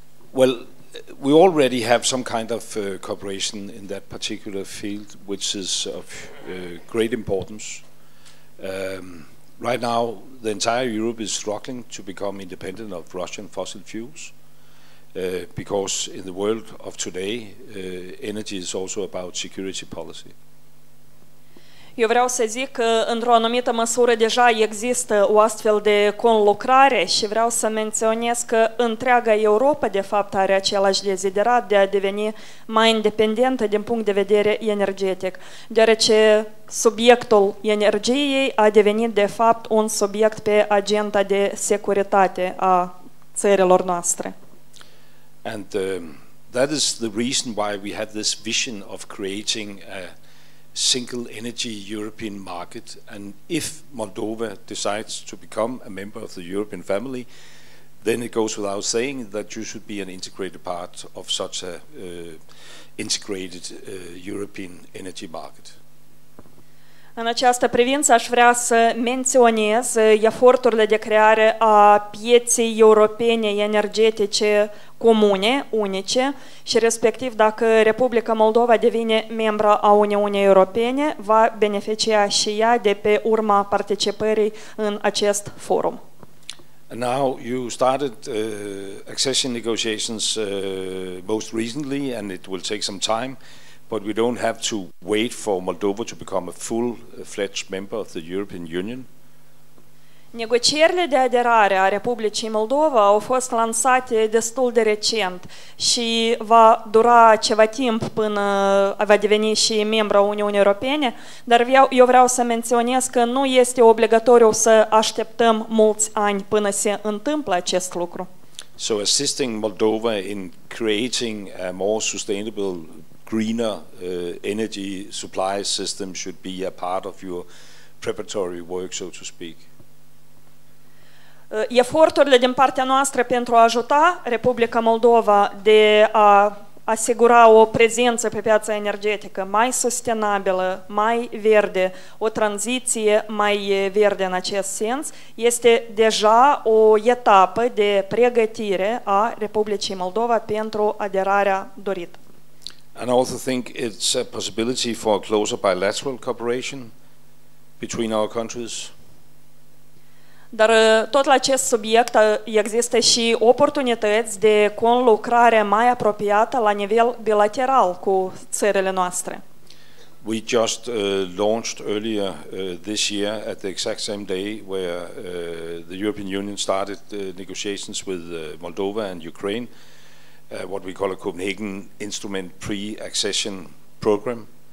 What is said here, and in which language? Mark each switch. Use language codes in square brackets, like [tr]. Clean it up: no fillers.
[en] Well, we already have some kind of cooperation in that particular field, which is of great importance. Right now, the entire Europe is struggling to become independent of Russian fossil fuels, because in the world of today, energy is also about security policy. [ro] Eu vreau să zic că într-o anumită măsură deja există o astfel de conlucrare, și vreau să menționez că întreaga Europa de fapt are același deziderat de a deveni mai independentă din punct de vedere energetic, deoarece subiectul energiei a devenit de fapt un subiect pe agenda de securitate a țărilor noastre. [en] And that is the reason why we have this vision of creating a single energy European market, and if Moldova decides to become a member of the European family, then it goes without saying that you should be an integrated part of such a integrated European energy market. [ro] În această privință aș vrea să menționez eforturile de creare a pieței europene energetice comune, unice, și respectiv dacă Republica Moldova devine membra a Uniunii Europene, va beneficia și ea de pe urma participării în acest forum. [en] And now you started accession negotiations most recently, and it will take some time. But we don't have to wait for Moldova to become a full-fledged member of the European Union. [ro] Negocierile de aderare a Republicii Moldova au fost lansate destul de recent și va dura ceva timp până va deveni și membru a Uniunii Europene, dar eu vreau să menționez că nu este obligatoriu să așteptăm mulți ani până se întâmplă acest lucru. [en] So assisting Moldova in creating a more sustainable, greener energy supply system should be a part of your preparatory work, so to speak. [ro] Eforturile din partea noastră pentru a ajuta Republica Moldova de a asigura o prezență pe piața energetică mai sustenabilă, mai verde, o tranziție mai verde în acest sens, este deja o etapă de pregătire a Republicii Moldova pentru aderarea dorită. [en] And I also think it's a possibility for a closer bilateral cooperation between our countries. [ro] Dar tot la acest subiect există și oportunități de conlucrare mai apropiată la nivel bilateral cu țările noastre. [en] We just launched earlier this year at the exact same day where the European Union started negotiations with Moldova and Ukraine, what we call a Copenhagen Instrument Pre-Accession Program.